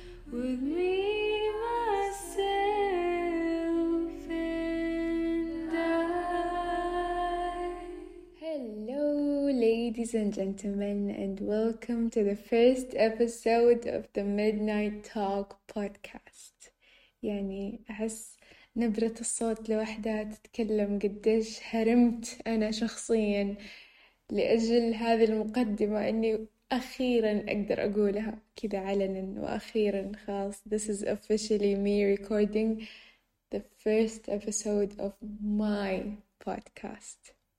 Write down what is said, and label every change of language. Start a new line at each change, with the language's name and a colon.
English: With me, myself, and I. Hello, ladies and gentlemen, and welcome to the first episode of the Midnight Talk podcast.
Arabic: يعني أحس نبرة الصوت لوحدها تتكلم قديش هرمت أنا شخصياً لأجل هذه المقدمة أني أخيراً أقدر أقولها كذا علناً وأخيراً خلاص.
English: This is officially me recording the first episode of my podcast.